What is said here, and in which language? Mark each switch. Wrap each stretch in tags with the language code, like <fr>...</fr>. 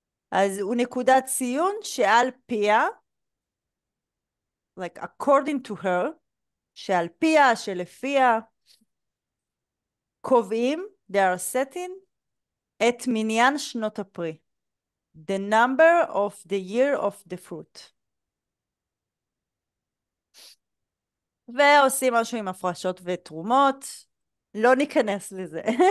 <he>אז הוא נקודת ציון שעל פיה,</he> <en>like according to her,</en> <he>שעל פיה, שלפיה, קובעים,</he> <en>they are setting,</en> <he>את מניין שנות הפרי.</he> <en>The number of the year of the fruit.</en> <he>ועושים משהו עם הפרשות ותרומות. לא ניכנס לזה.</he>